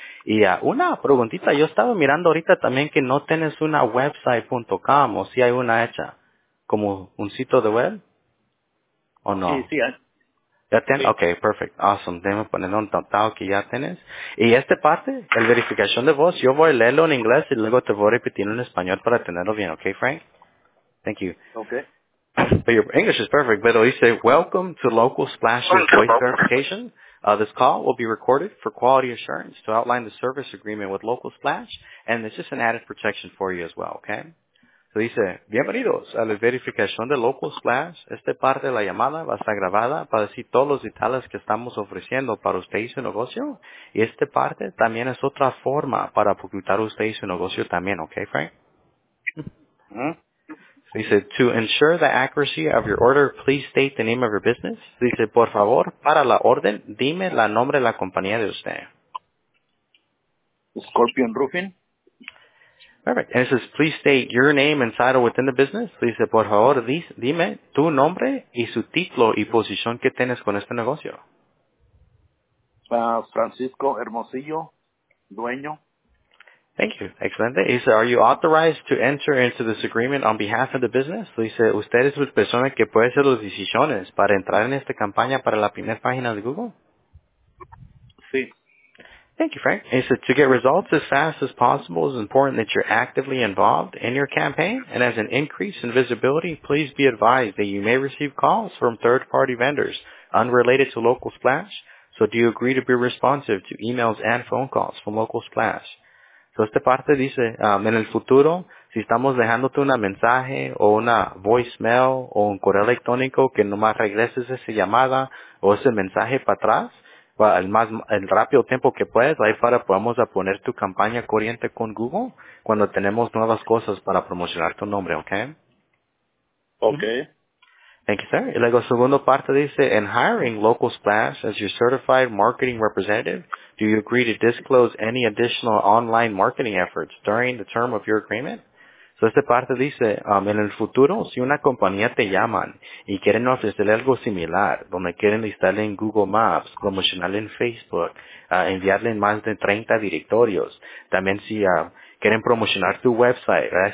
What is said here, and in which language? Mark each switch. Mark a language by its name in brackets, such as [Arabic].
[Spanish] Y una preguntita. Yo estaba mirando ahorita también que no tienes una website.com o si hay una hecha. ¿Como un sitio de web? ¿O no? Sí, sí. ¿Ya tienes? Sí. [English] Ok, perfect. Awesome. [Spanish] Déjame poner un tratado que ya tienes. Y esta parte, la verificación de voz, yo voy a leerlo en inglés y luego te voy a repetir en español para tenerlo bien. [English] Ok, Frank? Thank you. Okay. But your English is perfect, but you say, welcome to Local Splash's voice verification. This call will be recorded for quality assurance to outline the service agreement with Local Splash, and it's just an added protection for you as well, okay? [Spanish] So dice, bienvenidos a la verificación de Local Splash. Esta parte de la llamada va a estar grabada para decir todos los detalles que estamos ofreciendo para usted y su negocio. Y esta parte también es otra forma para publicitar usted y su negocio también, okay, Frank? So dice, [English] to ensure the accuracy of your order, please state the name of your business. [Spanish] So dice, por favor, para la orden, dime la nombre de la compañía de usted. [English] Scorpion Roofing. Perfect. And it says, please state your name inside or within the business. [Spanish] So dice, por favor, dime tu nombre y su título y posición que tienes con este negocio. Francisco Hermosillo, dueño. [English] Thank you. Excellent. He said, are you authorized to enter into this agreement on behalf of the business? [Spanish] So dice, usted es la persona que puede hacer las decisiones para entrar en esta campaña para la primera página de Google? Sí. [English] Thank you, Frank. He said, to get results as fast as possible, it's important that you're actively involved in your campaign. And as an increase in visibility, please be advised that you may receive calls from third-party vendors unrelated to Local Splash. So do you agree to be responsive to emails and phone calls from Local Splash? [Spanish] So esta parte dice, en el futuro, si estamos dejándote un mensaje o una voicemail o un correo electrónico que nomás regreses esa llamada o ese mensaje para atrás, el rápido tiempo que puedes, ahí para podamos a poner tu campaña corriente con Google cuando tenemos nuevas cosas para promocionar tu nombre, ¿ok? [English] Ok. Thank you, sir. [Spanish] Y luego, segundo parte dice, [English] in hiring Local Splash as your certified marketing representative, do you agree to disclose any additional online marketing efforts during the term of your agreement? [Spanish] So, esta parte dice, en el futuro, si una compañía te llaman y quieren ofrecerle algo similar, donde quieren listarle en Google Maps, promocionarle en Facebook, enviarle en más de 30 directorios, también si quieren promocionar tu website, ¿verdad?